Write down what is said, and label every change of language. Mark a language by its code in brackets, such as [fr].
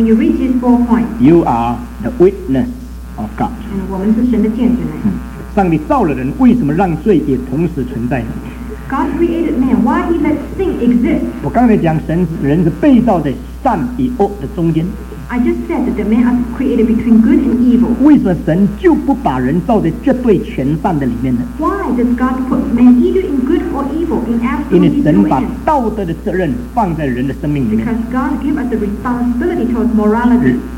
[en] When you reach these four points, you are the witness of God. [zh] 我们是神的见证人。上帝造了人，为什么让罪也同时存在呢？ [en] God created man. Why he let sin exist? [zh] 我刚才讲神，人是被造在善与恶的中间。 [en] I just said that the man are created between good and evil. [zh] 为什么神就不把人造在绝对全善的里面呢？ [en] Why does God put man either in good or evil, in absolute situation? [zh] 因为神把道德的责任放在人的生命里面。 [en] Because God gave us the responsibility towards morality.